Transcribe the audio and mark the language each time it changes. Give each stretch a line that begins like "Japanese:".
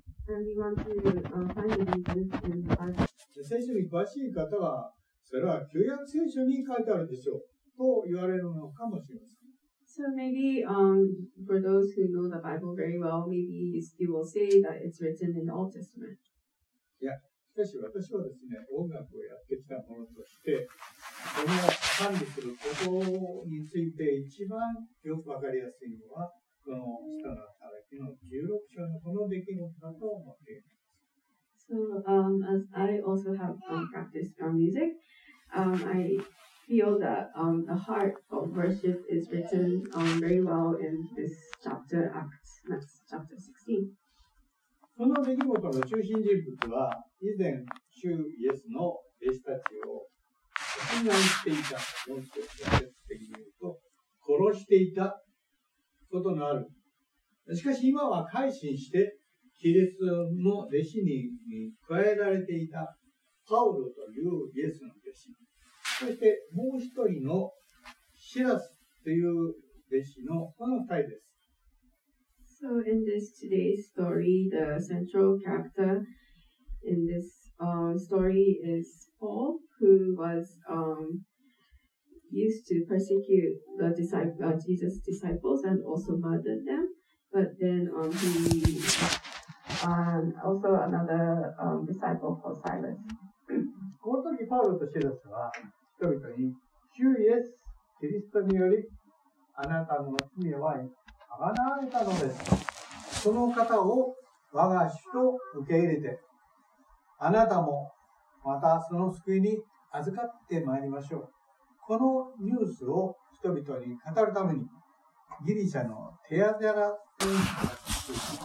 English: And we want to find the reason to ask.
Japanese: 聖書に詳しい方は、それは旧約聖書に書いてあるでしょう、と言われるのかもしれません。
English: So maybe, for those who know the Bible very well, maybe you will say that it's written in the Old Testament.
Japanese: いや、しかし私はですね、音楽をやってきたものとして、この管理することについて一番よくわかりやすいのは、この使徒の働きの16章のこの出来事だと思っています。
English: So, as I also have practiced music, I feel that the heart of worship is written very well in this chapter, Acts, that's chapter 16.
Japanese: この出来事の中心人物は、以前、主イエスの弟子たちを迫害していた、もう少し説的に言うと、殺していたことのある。しかし今は改心して、キリストの弟子に加えられていたパウロというイエスの弟子、そしてもう一人のシラスという弟子のこの二人です。
English: So in this today's story, the central character in this story is Paul, who was used to persecute the disciples, Jesus' disciples, and also murdered them. But then he also another disciple called Silas.
Japanese: この時パウロとシラスは人々に主イエス・キリストによりあなたの罪は贖われたのです、その方を我が主と受け入れてあなたもまたその救いに預かってまいりましょう、このニュースを人々に語るためにギリシャのテアテラという人たちに、